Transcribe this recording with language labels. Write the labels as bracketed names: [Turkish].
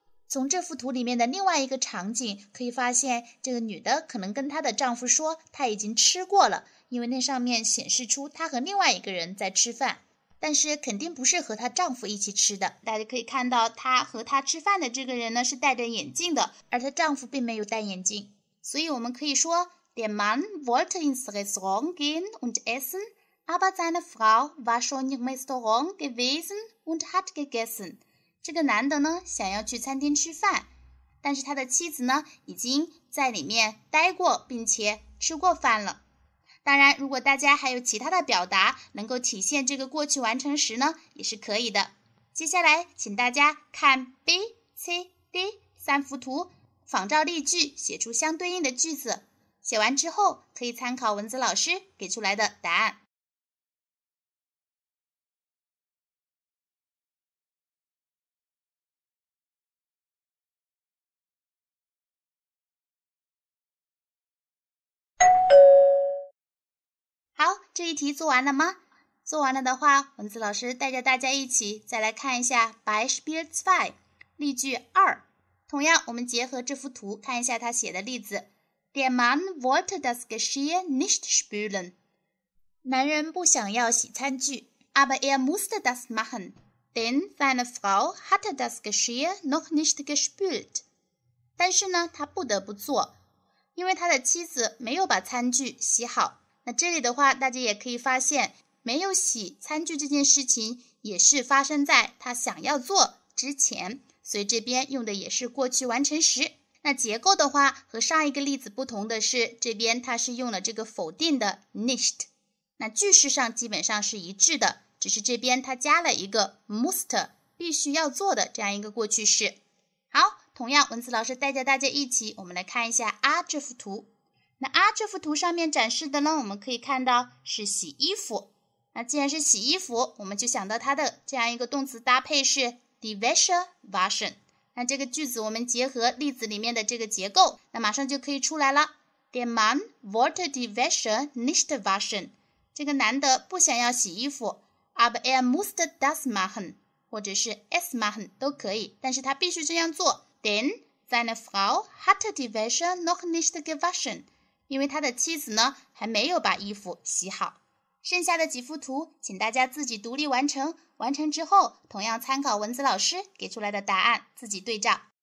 [Chinese] 从这幅图里面的另外一个场景可以发现，这个女的可能跟她的丈夫说她已经吃过了，因为那上面显示出她和另外一个人在吃饭，但是肯定不是和她丈夫一起吃的。大家可以看到她和她吃饭的这个人呢是戴着眼镜的，而她丈夫并没有戴眼镜。所以我们可以说 [German] Der Mann wollte ins Restaurant gehen und essen, aber seine Frau war schon im Restaurant gewesen und hat gegessen。 [Chinese] 这个男的呢想要去餐厅吃饭，但是他的妻子呢已经在里面待过并且吃过饭了。当然如果大家还有其他的表达能够体现这个过去完成时呢也是可以的。接下来请大家看 BCD 三幅图，仿照例句写出相对应的句子，写完之后可以参考文字老师给出来的答案。好，这一题做完了吗？做完了的话，文字老师带着大家一起再来看一下 Beispiel 2， 例句2。同样，我们结合这幅图看一下他写的例子。 [German] Der Mann wollte das Geschirr nicht spülen。 [Chinese] 男人不想要洗餐具。 [German] Aber er musste das machen, denn seine Frau hatte das Geschirr noch nicht gespült。 [Chinese] 但是呢，他不得不做，因为他的妻子没有把餐具洗好。那这里的话大家也可以发现，没有洗餐具这件事情也是发生在他想要做之前，所以这边用的也是过去完成时。那结构的话和上一个例子不同的是，这边它是用了这个否定的 nicht， 那句式上基本上是一致的，只是这边它加了一个 must， 必须要做的这样一个过去式。好，同样文字老师带着大家一起，我们来看一下啊这幅图。那啊这幅图上面展示的呢，我们可以看到是洗衣服。那既然是洗衣服，我们就想到它的这样一个动词搭配是 [German] die Wäsche waschen。 [Chinese] 那这个句子我们结合例子里面的这个结构，那马上就可以出来了。 [German] Der Mann wollte die Wäsche nicht waschen， [Chinese] 这个男的不想要洗衣服。 [German] Aber er musste das machen， [Chinese] 或者是 [German] es machen [Chinese] 都可以，但是他必须这样做。 [German] Denn seine Frau hatte die Wäsche noch nicht gewaschen， [Chinese] 因为他的妻子呢还没有把衣服洗好。剩下的几幅图请大家自己独立完成，完成之后同样参考文字老师给出来的答案自己对照。